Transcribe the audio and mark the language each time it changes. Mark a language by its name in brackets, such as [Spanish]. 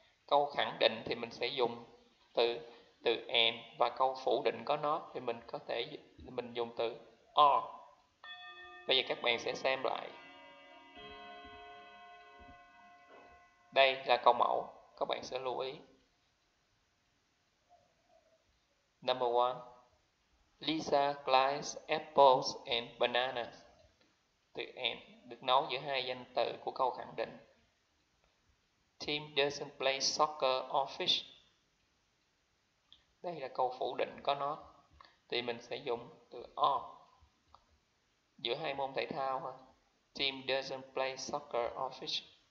[Vietnamese] Câu khẳng định thì mình sẽ dùng từ and và câu phủ định có nó thì mình có thể mình dùng từ are. Bây giờ các bạn sẽ xem lại. Đây là câu mẫu, các bạn sẽ lưu ý. [English] Number one, Lisa likes apples and bananas. [Vietnamese] Từ and, được nối giữa hai danh từ của câu khẳng định. [English] Tim doesn't play soccer or fish. [Vietnamese] Đây là câu phủ định có not. Thì mình sẽ dùng từ or. Giữa hai môn thể thao. [English] Tim doesn't play soccer or fish.